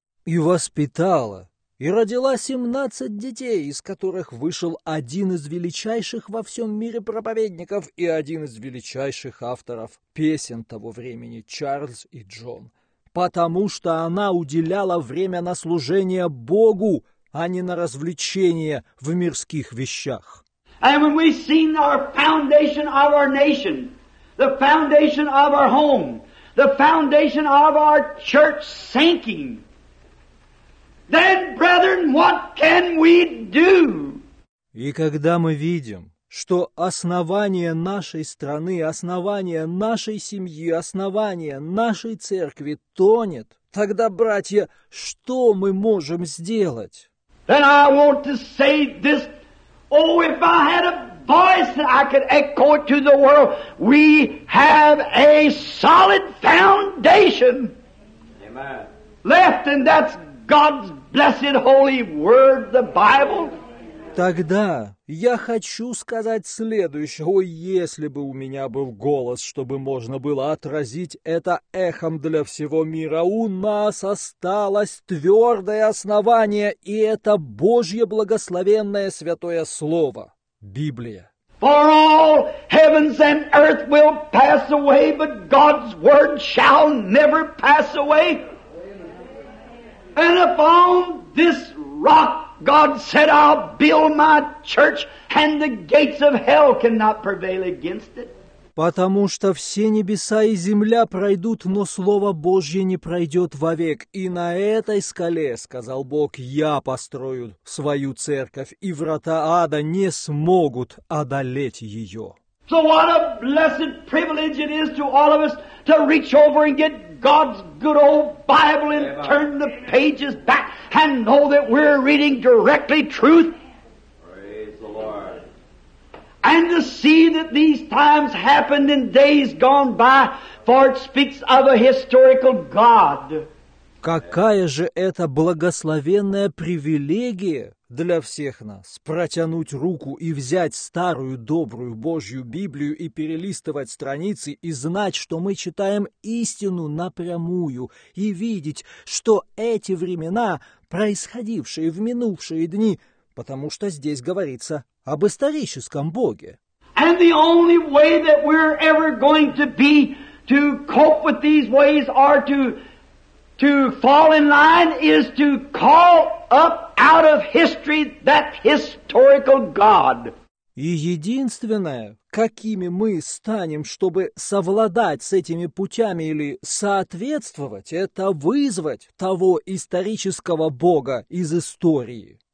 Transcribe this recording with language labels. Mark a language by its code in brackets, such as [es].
[ru] И воспитала, и родила 17 детей, из которых вышел один из величайших во всем мире проповедников и один из величайших авторов песен того времени, Чарльз и Джон. Потому что она уделяла время на служение Богу, а не на развлечения в мирских вещах. [en] And when we've seen our foundation of our nation, the foundation of our home, the foundation of our church sinking, then, brethren, what can we do? [ru] И когда мы видим, что основание нашей страны, основание нашей семьи, основание нашей церкви тонет, тогда, братья, что мы можем сделать? [en] Then I want to say this, oh, if I had a voice that I could echo it to the world, we have a solid foundation. Amen. Left, and that's God's blessed holy word, the Bible. [ru] Тогда я хочу сказать следующее. О, если бы у меня был голос, чтобы можно было отразить это эхом для всего мира. У нас осталось твердое основание, и это Божье благословенное святое слово – Библия. [en] For all heavens and earth will pass away, but God's word shall never pass away. And upon this rock God said, I'll build my church, and the gates of hell cannot prevail against it. [ru] Потому что все небеса и земля пройдут, но Слово Божье не пройдет вовек. И на этой скале, сказал Бог, я построю свою церковь, и врата ада не смогут одолеть ее. [en] So what a blessed privilege it is to all of us to reach over and get God's good old Bible and turn the pages back and know that we're reading directly truth. Praise the Lord. And to see that these times happened in days gone by, for it speaks of a historical God. [ru] Какая же это благословенная привилегия для всех нас протянуть руку и взять старую добрую Божью Библию и перелистывать страницы и знать, что мы читаем истину напрямую и видеть, что эти времена, происходившие в минувшие дни, потому что здесь говорится об историческом Боге. [en] And the only way that we're ever going to be to cope with these ways are to fall in line is to call up out of history that historical God. [ru] И единственное, какими мы станем, чтобы совладать с этими путями или соответствовать, это вызвать того исторического Бога из истории.